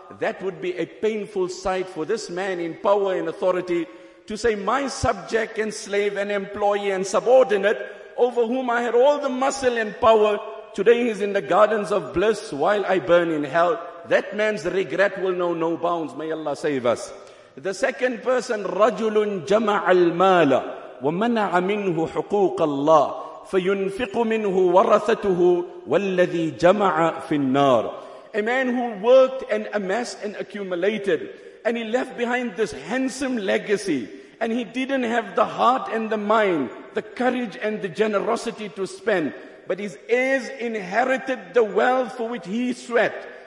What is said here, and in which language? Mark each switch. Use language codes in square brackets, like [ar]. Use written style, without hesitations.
[en] That would be a painful sight for this man in power and authority to say, my subject and slave and employee and subordinate, over whom I had all the muscle and power, today he's in the gardens of bliss while I burn in hell. That man's regret will know no bounds. May Allah save us. The second person, [ar] رَجُلٌ جَمَعَ الْمَالَ وَمَنَعَ مِنْهُ حُقُوقَ اللَّهِ فَيُنْفِقُ مِنْهُ وَرَثَتُهُ وَالَّذِي جَمَعَ فِي النَّارِ. [en] A man who worked and amassed and accumulated, and he left behind this handsome legacy, and he didn't have the heart and the mind, the courage and the generosity to spend. But his heirs inherited the wealth for which he sweat.